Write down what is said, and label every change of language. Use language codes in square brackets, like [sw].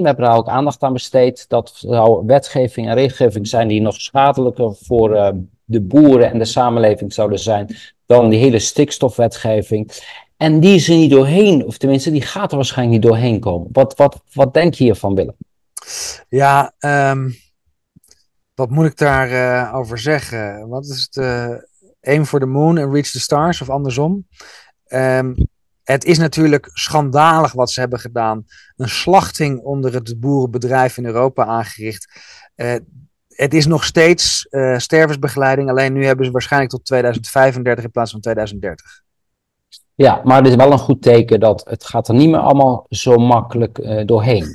[nl] We hebben daar ook aandacht aan besteed. Dat zou wetgeving en regelgeving zijn die nog schadelijker voor de boeren en de samenleving zouden zijn dan die hele stikstofwetgeving. En die is er niet doorheen, of tenminste, die gaat er waarschijnlijk niet doorheen komen. Wat denk je hiervan, Willem? Ja, wat moet ik daar over zeggen? Wat is het? [en] Aim for the moon and reach the stars, [nl] of andersom? Het is natuurlijk schandalig wat ze hebben gedaan. Een slachting onder het boerenbedrijf in Europa aangericht. Het is nog steeds stervensbegeleiding, alleen nu hebben ze waarschijnlijk tot 2035 in plaats van 2030. Ja, maar het is wel een goed teken dat het gaat er niet meer allemaal zo makkelijk doorheen.